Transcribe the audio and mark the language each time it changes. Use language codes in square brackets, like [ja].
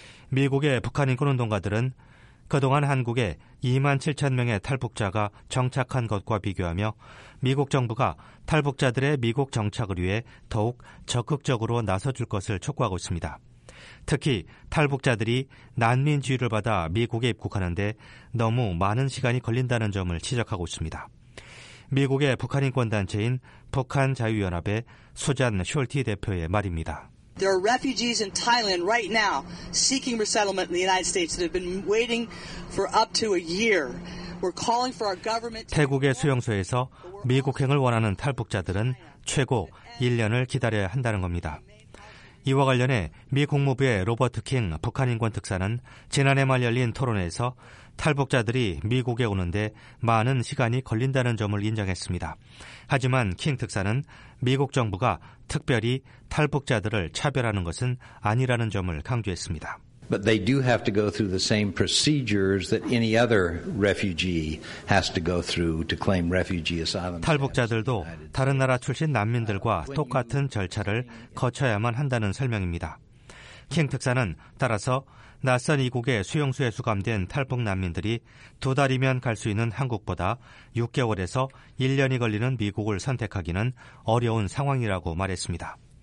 [ko] 미국의 북한 인권운동가들은 그동안 한국에 2만 7천 명의 탈북자가 정착한 것과 비교하며 미국 정부가 탈북자들의 미국 정착을 위해 더욱 적극적으로 나서줄 것을 촉구하고 있습니다. 특히 탈북자들이 난민 지위를 받아 미국에 입국하는데 너무 많은 시간이 걸린다는 점을 지적하고 있습니다. 미국의 북한 인권단체인 북한자유연합의 수잔 숄티 대표의 말입니다. [en] There are refugees in Thailand right now seeking resettlement in the United States that have been waiting for up to a year. We're calling for our government. [ko] 태국의 수용소에서 미국행을 원하는 탈북자들은 최고 1년을 기다려야 한다는 겁니다. 이와 관련해 미 국무부의 로버트 킹 북한인권특사는 지난해 말 열린 토론회에서 탈북자들이 미국에 오는데 많은 시간이 걸린다는 점을 인정했습니다. 하지만 킹 특사는 미국 정부가 특별히 탈북자들을 차별하는 것은 아니라는 점을 강조했습니다. [en] But they do have to go through the same procedures that any other refugee has to go through to claim refugee asylum. [ko] 탈북자들도 다른 나라 출신 난민들과 똑같은 절차를 거쳐야만 한다는 설명입니다. 킹 특사는 따라서 낯선 이국의 수용소에 수감된 탈북 난민들이 두 달이면 갈 수 있는 한국보다 6개월에서 1년이 걸리는 미국을 선택하기는 어려운 상황이라고 말했습니다.